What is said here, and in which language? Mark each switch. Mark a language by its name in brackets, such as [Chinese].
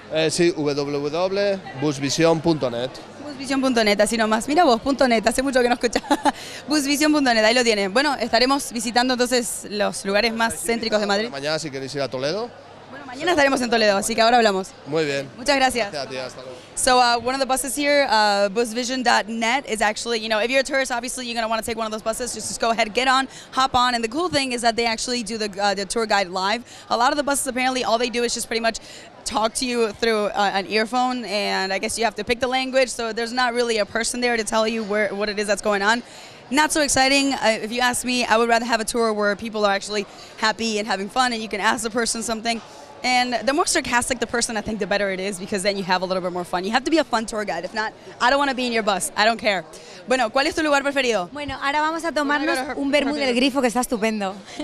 [Spanish] Sí, www.busvision.net. Busvision.net, así nomás. Mira vos, .net, hace mucho que no escuchaba. Busvision.net, ahí lo tiene. Bueno, estaremos visitando entonces los lugares más céntricos de Madrid. Mañana si queréis ir a Toledo. Bueno, mañana estaremos en Toledo, así que ahora hablamos. Muy bien. Muchas gracias. Gracias a ti, hasta luego. [English] So, one of the buses here, busvision.net, is actually, you know, if you're a tourist, obviously you're going to want to take one of those buses. Just go ahead, get on, hop on. And the cool thing is that they actually do the tour guide live. A lot of the buses, apparently, all they do is just pretty much talk to you through an earphone, and I guess you have to pick the language, so there's not really a person there to tell you what it is that's going on. Not so exciting. If you ask me, I would rather have a tour where people are actually happy and having fun, and you can ask the person something. And the more sarcastic the person, I think the better it is, because then you have a little bit more fun. You have to be a fun tour guide. If not, I don't want to be in your bus. I don't care. [Spanish] Bueno, ¿cuál es tu lugar preferido? Bueno, ahora vamos a tomarnos un vermú del grifo, que está estupendo.